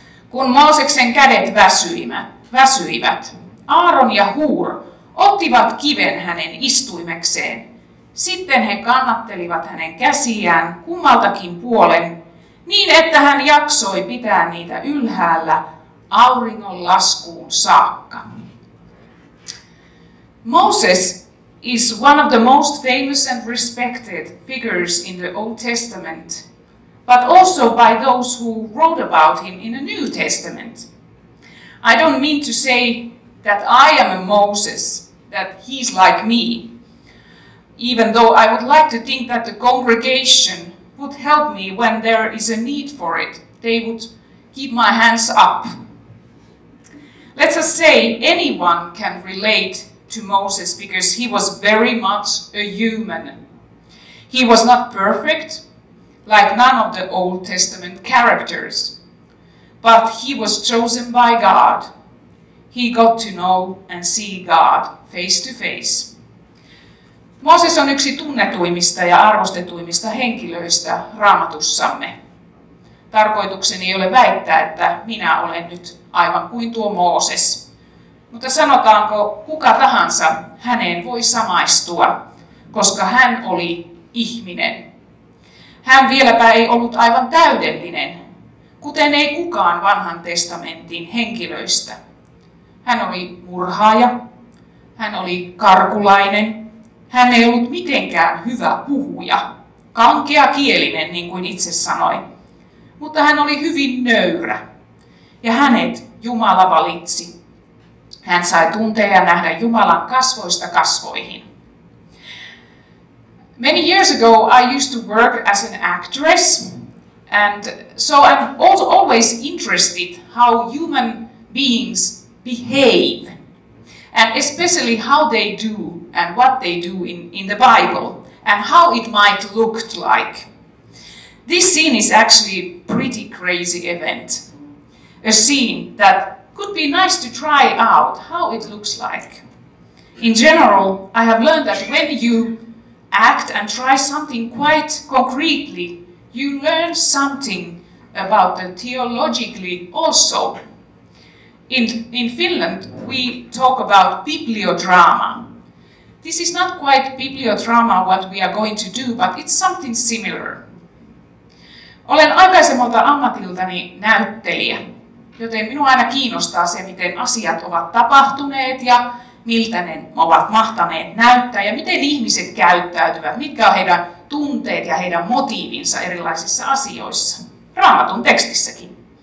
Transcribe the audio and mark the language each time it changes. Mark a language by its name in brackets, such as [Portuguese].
[Finnish] Kun Mooseksen kädet väsyivät, Aaron ja Hur ottivat kiven hänen istuimekseen. Sitten he kannattelivat hänen käsiään kummaltakin puolen, niin että hän jaksoi pitää niitä ylhäällä auringon laskuun saakka. [English] Moses is one of the most famous and respected figures in the Old Testament, but also by those who wrote about him in the New Testament. I don't mean to say that I am a Moses, that he's like me, even though I would like to think that the congregation would help me when there is a need for it. They would keep my hands up. Let us say anyone can relate to Moses because he was very much a human. He was not perfect, like none of the Old Testament characters, but he was chosen by God. He got to know and see God face to face. [Finnish] Mooses on yksi tunnetuimmista ja arvostetuimmista henkilöistä Raamatussamme. Tarkoitukseni ei ole väittää, että minä olen nyt aivan kuin tuo Mooses. Mutta sanotaanko, kuka tahansa häneen voi samaistua, koska hän oli ihminen. Hän vieläpä ei ollut aivan täydellinen, kuten ei kukaan Vanhan testamentin henkilöistä. Hän oli murhaaja, hän oli karkulainen. Hän ei ollut mitenkään hyvä puhuja, kankeakielinen, niin kuin itse sanoi, mutta hän oli hyvin nöyrä ja hänet Jumala valitsi. Hän sai tuntea ja nähdä Jumalan kasvoista kasvoihin. [English] Many years ago I used to work as an actress and so I'm also always interested how human beings behave and especially how they do and what they do in the Bible, and how it might look like. This scene is actually a pretty crazy event. A scene that could be nice to try out how it looks like. In general, I have learned that when you act and try something quite concretely, you learn something about the theologically also. In Finland, we talk about bibliodrama. This is not quite bibliodrama what we are going to do, but it's something similar. [Finnish] Olen aikaisemmalta ammatiltani näyttelijä, joten minua aina kiinnostaa se, miten asiat ovat tapahtuneet ja miltä ne ovat mahtaneet näyttää ja miten ihmiset käyttäytyvät, mitkä ovat heidän tunteet ja heidän motiivinsa erilaisissa asioissa, Raamatun tekstissäkin.